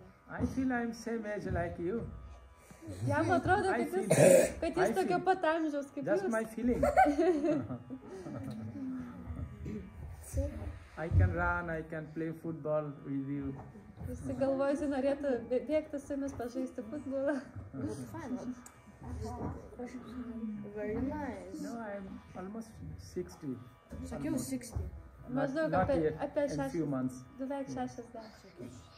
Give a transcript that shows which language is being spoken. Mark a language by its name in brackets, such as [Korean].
[English] I feel I'm same age like you. [Lithuanian] Jam atrodo, kad jis tokio pat amžiaus kaip jūs. [English] That's my feeling. I can run, I can play football with you. [Lithuanian] Visi galvojasi, norėtų bėgti su jumis, pažaisti futbolą. [English] Very nice. No, I'm almost 60. [Lithuanian] Sakiau 60. Maždaug apie 6. Duveik 60.